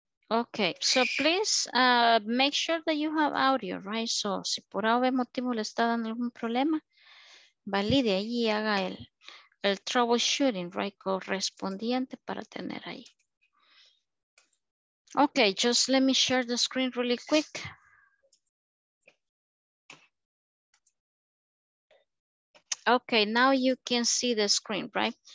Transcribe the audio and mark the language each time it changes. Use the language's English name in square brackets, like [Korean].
[English] Okay, so please make sure that you have audio, right? [Spanish] So, si por algún motivo le está dando algún problema, valide ahí y haga el troubleshooting, right? Correspondiente para tener ahí. [English] Okay, just let me share the screen really quick. Okay, now you can see the screen, right?